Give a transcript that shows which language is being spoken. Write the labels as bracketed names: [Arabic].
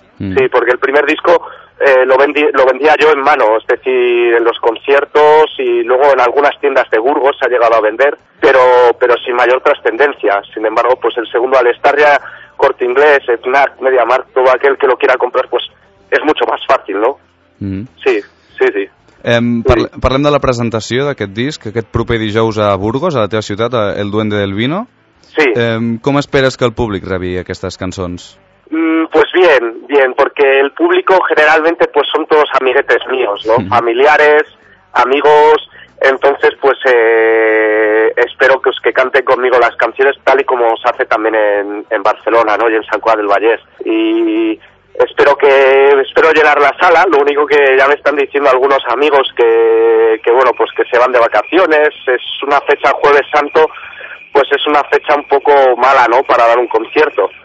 [Spanish] Sí, porque el primer disco lo vendía yo en mano, es decir, en los conciertos y luego en algunas tiendas de Burgos se ha llegado a vender, pero sin mayor trascendencia. Sin embargo, pues el segundo, al estar ya Corte Inglés, Snack, MediaMark, todo aquel que lo quiera comprar, pues es mucho más fácil, ¿no? Sí. [Catalan] Parlem de la presentació d'aquest disc, aquest proper dijous a Burgos, a la teva ciutat, a El Duende del Vino. Sí. Com esperes que el públic rebi aquestes cançons? [Spanish] Pues bien, porque el público generalmente pues son todos amiguetes míos, ¿no? Uh-huh. Familiares, amigos, entonces pues espero que canten conmigo las canciones tal y como se hace también en Barcelona, ¿no? Y en San Juan del Vallés. Y espero llenar la sala, lo único que ya me están diciendo algunos amigos que bueno, pues que se van de vacaciones, es una fecha Jueves Santo, pues es una fecha un poco mala, ¿no?, para dar un concierto.